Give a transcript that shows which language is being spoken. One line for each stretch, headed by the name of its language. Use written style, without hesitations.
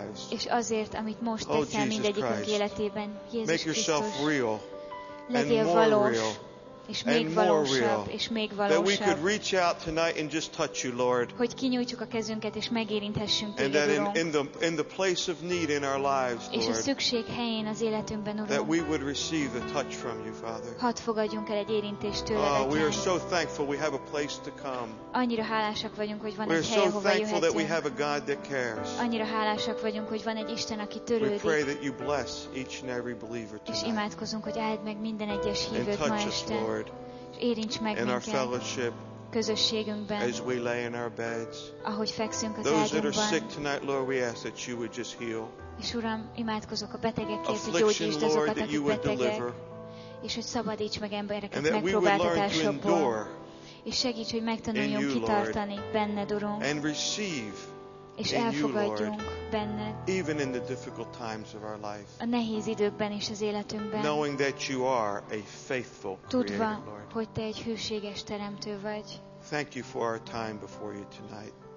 Hungarian: És azért, amit most teszel mindegyikünk életében. Jézus Krisztus, legyél valós. És még valósabb, és még valósabb.
English: That we could reach out tonight and just touch you, Lord.
Hungarian: Hogy kinyújtjuk a kezünket és megérinthessünk téged.
English: And that in the place of need in our lives, Lord.
Hungarian: És a szükség helyén az életünkben, Urunk.
English: That we would receive a touch from you, Father.
Hungarian: Hadd fogadjunk el egy érintést tőled, Atyám.
English: We are so thankful we have a place to come.
Hungarian: Annyira hálásak vagyunk, hogy van egy hely, ahova jöhetünk.
English: We are so thankful that we have a God that cares.
Hungarian: Annyira hálásak vagyunk, hogy van egy Isten, aki törődik.
English: We pray that you bless each and every believer tonight.
Hungarian: És imádkozunk, hogy áld meg minden egyes hívőt ma este. Érints meg
English: in our fellowship,
Hungarian: közösségünkben,
English: as we lay in our beds,
Hungarian: ahogy fekszünk az
English: those
Hungarian: ágyunkban.
English: That are sick tonight, Lord, we ask that you would just heal.
Hungarian: És Uram, imádkozok a betegekért, hogy gyógyítsd azokat,
English: Lord,
Hungarian: akik
English: you would deliver,
Hungarian: és hogy szabadíts meg embereket megpróbáltatásokból, és segíts, hogy megtanuljunk
English: you,
Hungarian: kitartani
English: Lord,
Hungarian: benned, Urunk,
English: and receive
Hungarian: és elfogadjunk benned,
English: even in the difficult times of our life,
Hungarian: a nehéz időkben is az életünkben,
English: knowing that you are a faithful
Hungarian: tudva,
English: Creator, Lord.
Hungarian: Hogy te egy hűséges teremtő vagy.
English: Thank you for our time before you tonight.